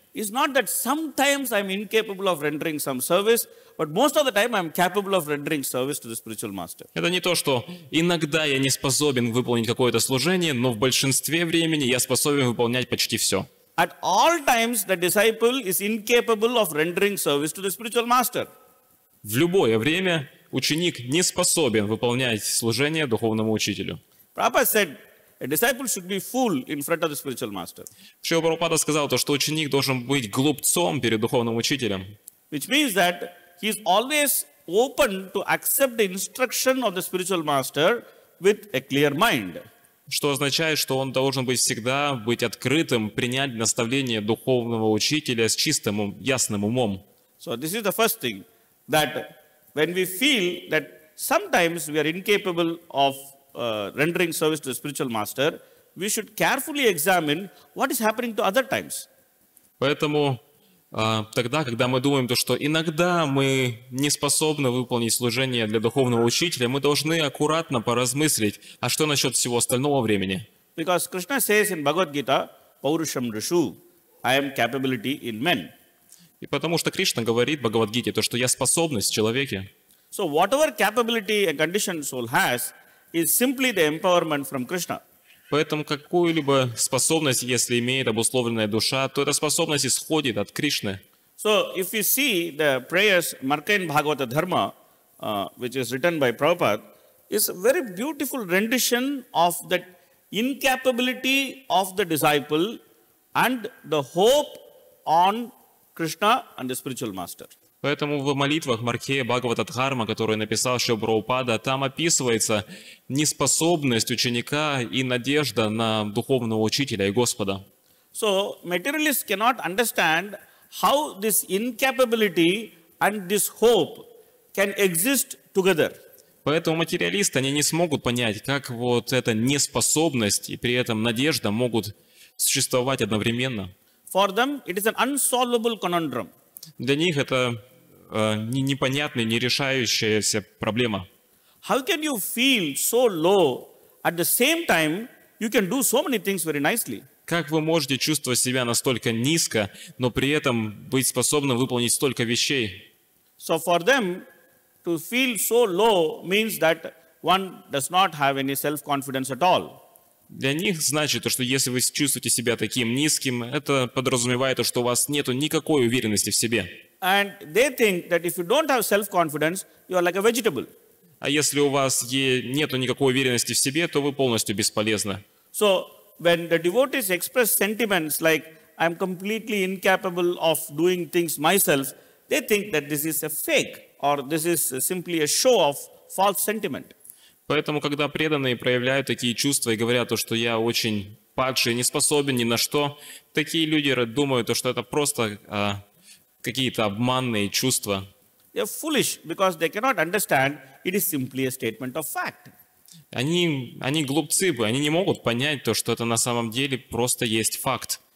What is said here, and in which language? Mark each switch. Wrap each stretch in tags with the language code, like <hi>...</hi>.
<en>It's not that sometimes I'm incapable of rendering some service, but most of the time I'm capable of rendering service to the spiritual master.</en> <ru>Это не то, что иногда я не способен выполнить какое-то служение, но в большинстве времени я способен выполнять почти все.</ru> <en>At all times the disciple is incapable of rendering service to the spiritual master.</en> <ru>В любое время ученик не способен выполнять служение духовному учителю.</ru> <en>Prabhupada said, a disciple should be fool in front of the spiritual master.</en> <ru>Шри Прабхупада сказал то, что ученик должен быть глупцом перед духовным учителем.</ru> <en>Which means that he is always open to accept the instruction of the spiritual master with a clear mind.</en> <ru>Что означает, что он должен быть всегда быть открытым принять наставление духовного учителя с чистым, ясным умом.</ru> <en>So this is the first thing, that when we feel that sometimes we are incapable of rendering service to the spiritual master, we should carefully examine what is happening to other times.</en> <ru>Поэтому тогда, когда мы думаем то, что иногда мы не способны выполнить служение для духовного учителя, мы должны аккуратно поразмыслить, а что насчет всего остального времени?</ru> <en>Because Krishna says in Bhagavad Gita, "Paurusham Rishu, I am capability in men."</en> <ru>И потому что Кришна говорит в Бхагавад Гите то, что я способность в человеке.</ru> <en>So whatever capability a conditioned soul has is simply the empowerment from Krishna.</en> <ru>Поэтому какую-либо способность, если имеет обусловленная душа, то эта способность исходит от Кришны.</ru> <en>So if you see the prayers, Markain Bhagavata Dharma, which is written by Prabhupada, is a very beautiful rendition of that incapability of the disciple and the hope on Krishna and the spiritual master.</en> <ru>Поэтому в молитвах Маркея Бхагавата Дхарма, которую написал Шри Прабхупада, там описывается неспособность ученика и надежда на духовного учителя и Господа.</ru> <en>So materialists cannot understand how this incapability and this hope can exist together.</en> <ru>Поэтому материалисты, они не смогут понять, как вот эта неспособность и при этом надежда могут существовать одновременно.</ru> <en>For them, it is an unsolvable conundrum.</en> <ru>Для них это непонятная, нерешающаяся проблема.</ru> <en>How can you feel so low at the same time you can do so many things very nicely?</en> <ru>Как вы можете чувствовать себя настолько низко, но при этом быть способным выполнить столько вещей?</ru> <en>So for them, to feel so low means that one does not have any self-confidence at all.</en> <ru>Для них значит, что если вы чувствуете себя таким низким, это подразумевает, что у вас нет никакой уверенности в себе.</ru> <en>And they think that if you don't have self-confidence, you are like a vegetable.</en> <ru>А если у вас нет никакой уверенности в себе, то вы полностью бесполезны.</ru> <en>So when the devotees express sentiments like I'm completely incapable of doing things myself, they think that this is a fake or this is simply a show of false sentiment.</en> <ru>Поэтому, когда преданные проявляют такие чувства и говорят, что я очень падший, не способен ни на что, такие люди думают, что это просто какие-то обманные чувства.</ru> <en>They are foolish because they cannot understand it is simply a statement of fact.</en> <ru>Они глупцы бы, они не могут понять то, что это на самом деле просто есть факт.</ru>